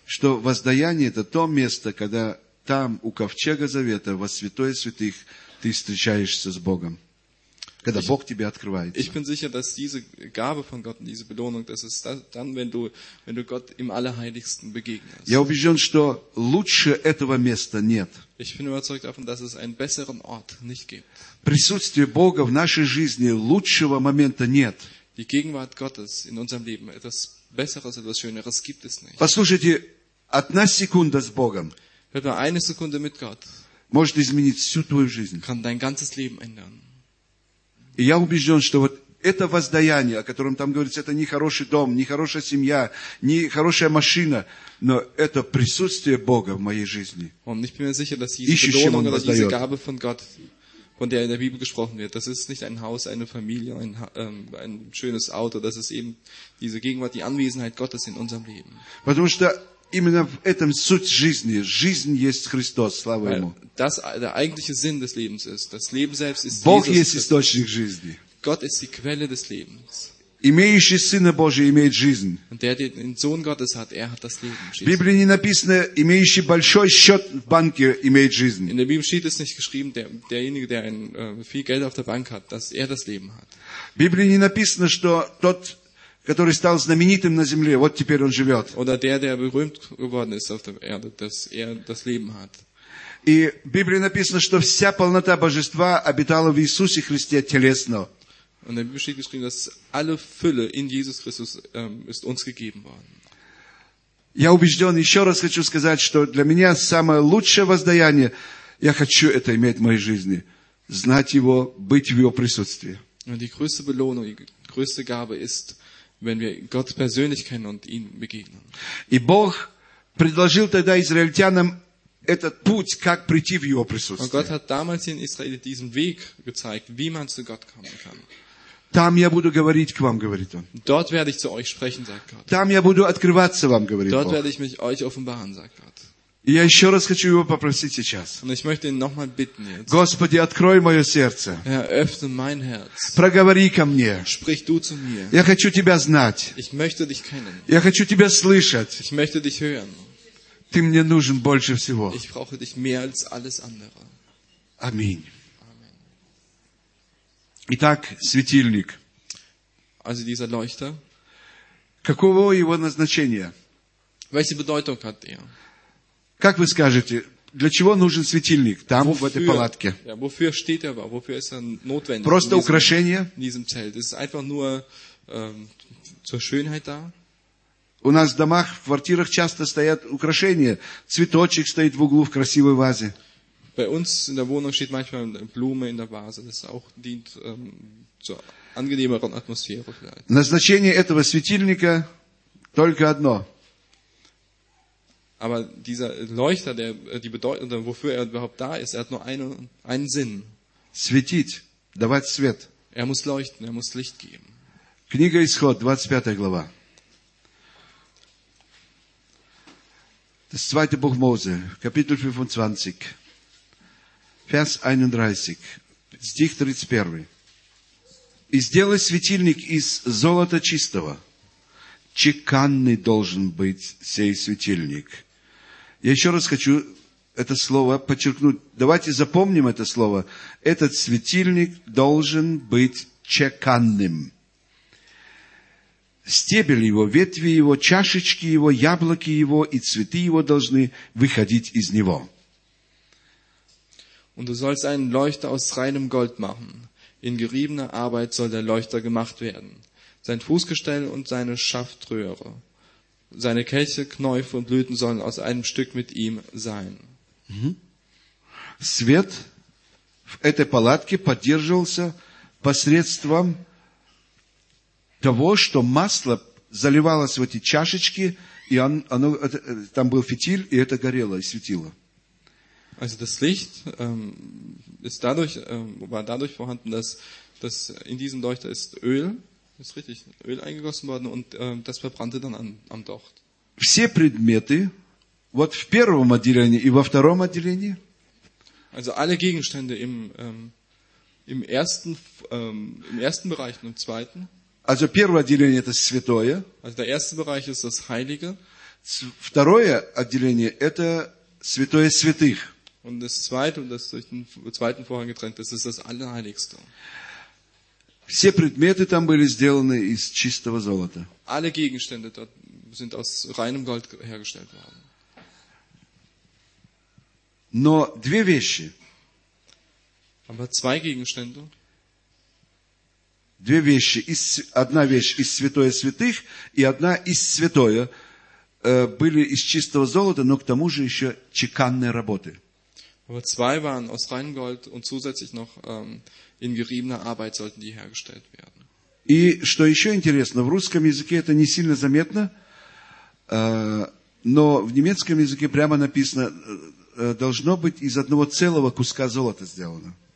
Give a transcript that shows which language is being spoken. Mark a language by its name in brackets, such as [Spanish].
[Russian] что воздаяние – это то место, когда там, у Ковчега Завета, во Святое Святых, ты встречаешься с Богом. Когда Бог тебе открывается. [German] Ich bin sicher, dass diese Gabe von Gott, diese Belohnung, das ist dann, wenn du Gott im Allerheiligsten begegnest. [Russian] Я убежден, что лучше этого места нет. [German] Ich bin überzeugt davon, dass es einen besseren Ort nicht gibt. [Russian] Присутствие Бога в нашей жизни лучшего момента нет. [German] Die Gegenwart Gottes in unserem Leben, etwas Besseres, etwas Schöneres gibt es nicht. [Russian] Послушайте, одна секунда с Богом. [German] Hört mal eine Sekunde mit Gott. [Russian] Может изменить всю твою жизнь. [German] Kann dein ganzes Leben ändern. [Russian] И я убежден, что вот это воздаяние, о котором там говорится, это не хороший дом, не хорошая семья, не хорошая машина, но это присутствие Бога в моей жизни. [German] Und ich bin mir sicher, dass diese Belohnung oder diese Gabe von Gott, von der in der Bibel gesprochen wird, das ist nicht ein Haus, eine Familie, ein schönes Auto, das ist eben diese Gegenwart, die Anwesenheit Gottes in unserem Leben. [Russian] Потому что именно в этом суть жизни. Жизнь есть Христос, слава Ему. [German] Das, der eigentliche Sinn des Lebens ist, das Leben selbst ist [Russian] Бог [German] Jesus. [Russian] Бог есть источник жизни. [German] Gott ist die Quelle des Lebens. [Russian] Имеющий Сына Божия имеет жизнь. [German] Und der, der den Sohn Gottes hat, er hat das Leben. [Russian] В Библии не написано, имеющий большой счет в банке имеет жизнь. [German] In der Bibel steht es nicht geschrieben, derjenige, der ein, viel Geld auf der Bank hat, dass er das Leben hat. [Russian] В Библии не написано, что тот, который стал знаменитым на земле, вот теперь он живет. [German] Oder der berühmt geworden ist auf der Erde, dass das Leben hat. [Russian] И в Библии написано, что вся полнота Божества обитала в Иисусе Христе телесно. [German] Und in der Bibel steht geschrieben, dass alle Fülle in Jesus Christus ist uns gegeben worden. [Russian] Я убежден, еще раз хочу сказать, что для меня самое лучшее воздаяние, я хочу это иметь в моей жизни, знать его, быть в его присутствии. [German] Und die größte Belohnung, die größte Gabe ist, wenn wir Gott persönlich kennen und ihm begegnen. [Russian] И Бог предложил тогда израильтянам этот путь, как прийти в его присутствие. [German] Und Gott hat damals den Israeliten diesen Weg gezeigt, wie man zu Gott kommen kann. [Russian] Там я буду говорить к вам, говорит он. [German] Dort werde ich zu euch sprechen, sagt Gott. [Russian] Там я буду открываться вам, говорит [German] Dort [Russian] Бог. [German] Werde ich mich euch offenbaren, sagt Gott. [Russian] И я еще раз хочу его попросить сейчас. [German] Und ich möchte ihn nochmal bitten jetzt. [Russian] Господи, открой мое сердце. [German] Herr, öffne mein Herz. [Russian] Проговори ко мне. [German] Sprich du zu mir. [Russian] Я хочу тебя знать. [German] Ich möchte dich kennen. [Russian] Я хочу тебя слышать. [German] Ich möchte dich hören. [Russian] Ты мне нужен больше всего. [German] Ich brauche dich mehr als alles andere. [Russian] Аминь. Итак, светильник. [German] Also dieser Leuchter. [Russian] Каково его назначение? [German] Welche Bedeutung hat er? [Russian] Как вы скажете, для чего нужен светильник там, [German] wofür, [Russian] в этой палатке? [German] Ja, wofür steht er, wofür ist er notwendig? [Russian] Просто украшение? [German] In diesem Zelt. Es ist einfach nur zur Schönheit da. [Russian] У нас в домах, в квартирах часто стоят украшения. Цветочек стоит в углу в красивой вазе. [German] Bei uns in der Wohnung steht manchmal Blume in der Vase. Das auch dient zur angenehmeren Atmosphäre. [Russian] Назначение этого светильника только одно. [German] Aber dieser Leuchter, der die Bedeutung, wofür er überhaupt da ist, er hat nur einen Sinn. [Russian] Светить, давать свет. [German] Er muss leuchten, er muss Licht geben. [Russian] Книга Исход, 25 глава. [German] Das zweite Buch Mose, Kapitel 25, Vers 31, Stich 31. [Russian] И сделай светильник из золота чистого. Чеканный должен быть сей светильник. Я еще раз хочу это слово подчеркнуть. Давайте запомним это слово. Этот светильник должен быть чеканным. Стебель его, ветви его, чашечки его, яблоки его и цветы его должны выходить из него. [German] Und du sollst einen Leuchter aus reinem Gold machen. In geriebener Arbeit soll der Leuchter gemacht werden. Sein Fußgestell und seine Schaftröhre. Seine Kelche, Knäufe und Blüten sollen aus einem Stück mit ihm sein. [Russian] Свет в этой палатке поддерживался посредством того, что масло заливалось в эти чашечки, и оно, там был фитиль, и это горело, и светило. [German] Also das Licht ist dadurch, war dadurch vorhanden, dass in diesem Leuchter ist Öl, ist richtig, Öl eingegossen worden, und das verbrannte dann am Docht. [Russian] Все предметы, вот в первом отделении и во втором отделении, [German] also alle Gegenstände im ersten Bereich und im zweiten, also [Russian] первое отделение – это святое. [German] Also der erste Bereich ist das Heilige. [Russian] Второе отделение – это святое святых. [German] Und das zweite, und das durch den zweiten Vorhang getrennt ist, ist das Allerheiligste. [Russian] Все предметы там были сделаны из чистого золота. [German] Alle Gegenstände dort sind aus reinem Gold hergestellt worden. [Russian] Но две вещи. [German] Aber zwei Gegenstände. [Russian] Две вещи. Одна вещь из святое святых и одна из святое были из чистого золота, но к тому же еще чеканной работы. [German] Aber zwei waren aus reinem Gold und zusätzlich noch in geriebener Arbeit sollten die hergestellt werden. [Russian] И что еще интересно, в русском языке это не сильно заметно, но в немецком языке прямо написано, должно быть из одного целого куска золота сделано.